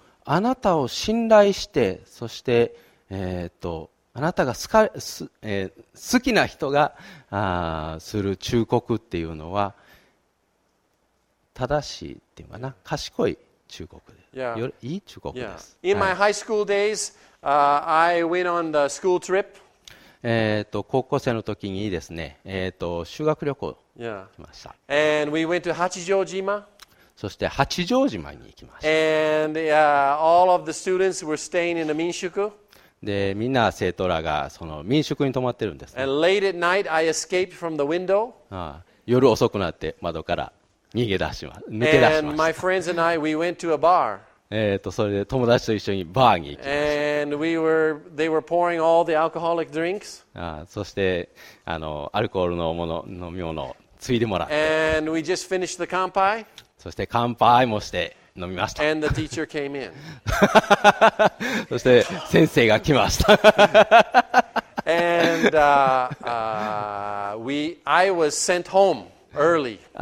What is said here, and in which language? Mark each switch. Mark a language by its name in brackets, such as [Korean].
[Japanese] あなたを信頼して、そしてあなたが 好きな人がする忠告っていうのは正しいっていうかな、賢い忠告です。 [English] Yeah. [Japanese] いい忠告です。 [English] Yeah. In my high school days, I went on the school trip. [Japanese] 高校生の時にですね、修学旅行しました。 [English] Yeah. And we went to 八丈島。 [Japanese] そして八丈島に行きました。 [English] And all of the students were staying in the 民宿。 [Japanese] でみんな生徒らがその民宿に泊まってるんです、ね、 [English] And late at night, I escaped from the window. [Japanese] 夜遅くなって窓から逃げ出します。抜け出します。 [English] My friends and I, we went to a bar. [Japanese] それで友達と一緒にバーに行きました。 [English] And they were pouring all the alcoholic drinks. [Japanese] そしてアルコールのもの飲み物をついでもらって。 [English] And we just finished the 乾杯。 [Japanese] そして乾杯もして。飲みました。 [English] And the teacher came in. [Japanese] そして先生が来ました。 [English] And I was sent home early.